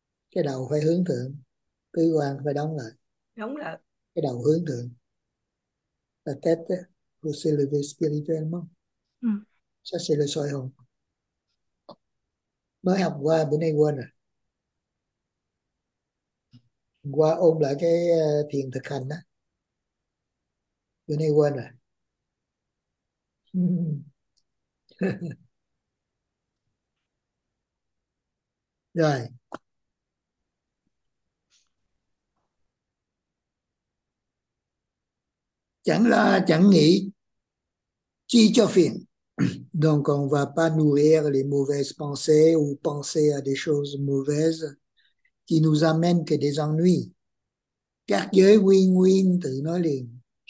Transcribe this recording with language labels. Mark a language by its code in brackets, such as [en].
[vi] cái đầu phải hướng thượng, tứ quan phải đóng lại, Đúng rồi. cái đầu hướng thượng là tết đó. [fr] Se lever spirituellement, ça c'est le soi hồn. [vi] Mới học qua bữa nay quên rồi. qua ôn lại cái thiền thực hành đó. Bữa nay quên rồi. Rồi. Chẳng lo chẳng nghĩ chi cho phiền. [fr] Donc on va pas nourrir les mauvaises pensées ou penser à des choses mauvaises qui nous amènent que des ennuis. [vi] Các giới quy nguyên tự nói liền.